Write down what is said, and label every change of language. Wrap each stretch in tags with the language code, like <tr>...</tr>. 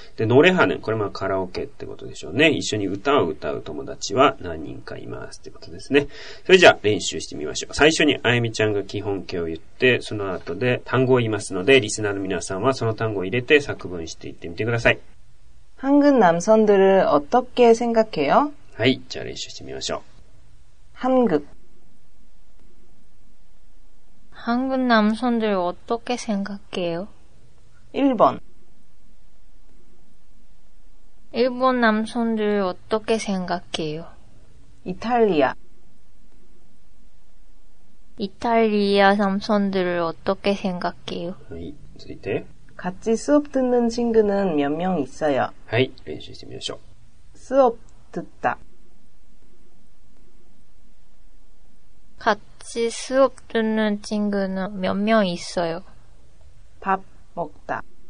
<ja>で、ノレハヌ、これもカラオケってことでしょうね。一緒に歌を歌う友達は何人かいますってことですね。それじゃあ、練習してみましょう。最初にあゆみちゃんが基本形を言って、その後で単語を言いますので、リスナーの皆さんはその単語を入れて作文していってみてください。</ja> <ko>한국남선들을어떻게생각해요?</ko> <ja>はい。じゃあ、練習してみましょう。</ja> <ko>한국 한국남성들어떻게생각해요? 1번 일본남성들어떻게생각해요? 이탈리아 이탈리아남성들어떻게생각해요?</ko> <ja>続いて</ja> <ko>같이수업듣는친구는몇명있어요?</ko> <ja>네, 練習してみましょう。</ja> <ko>수업듣다 같이수업듣는친구는몇명있어요? 밥먹다</ko>